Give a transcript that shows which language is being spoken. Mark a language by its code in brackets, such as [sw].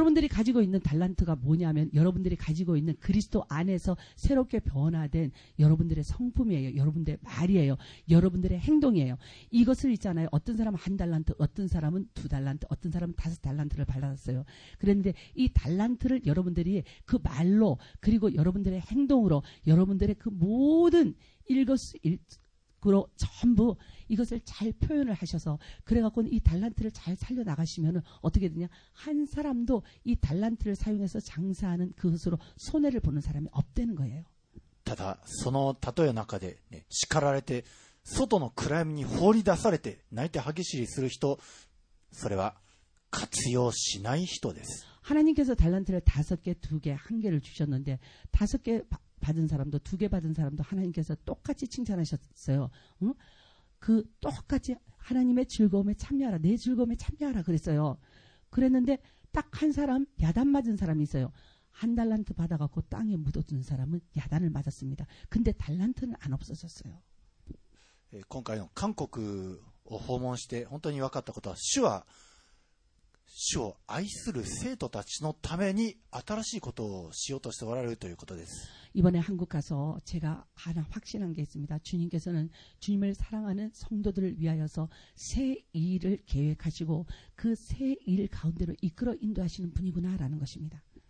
[ko] 여러분들이가지고있는달란트가뭐냐면여러분들이가지고있는그리스도안에서새롭게변화된여러분들의성품이에요여러분들의말이에요여러분들의행동이에요이것을있잖아요어떤사람은한달란트어떤사람은두달란트어떤사람은다섯달란트를받았어요그랬는데이달란트를여러분들이그말로그리고여러분들의행동으로여러분들의그모든그리고전부이것을잘표현을하셔서그래갖고는이달란트를잘살려나가시면은어떻게되냐한사람도이달란트를사용해서장사하는그것으로손해를보는사람이없되는거예요 [ja] ただその例えの中で、ね、叱られて外の暗闇に放り出されて泣いて歯ぎしりする人それは活用しない人です [ko] 하나님께서 달란트를 다섯 개, 두 개, 한 개를 주셨는데 다섯 개 받은 사람도 두 개 받은 사람도 하나님께서 똑같이 칭찬하셨어요. 응? 그 똑같이 하나님의 즐거움에 참여하라. 내 즐거움에 참여하라 그랬어요. 그랬는데 딱 한 사람 야단 맞은 사람이 있어요. 한 달란트 받아갖고 땅에 묻어둔 사람은 야단을 맞았습니다. 근데 달란트는 안 없어졌어요. [ja] 今回の [ko] 한국을 방문 [ja] して 本当に 分かったことは 主は 主を 愛する 生徒たちのために 新しいことをしようとしておられるということです。 [ko] 이번에 한국 가서 제가 하나 확신한 게 있습니다. 주님께서는 주님을 사랑하는 성도들을 위하여서 새 일을 계획하시고 그 새 일 가운데로 이끌어 인도하시는 분이구나라는 것입니다.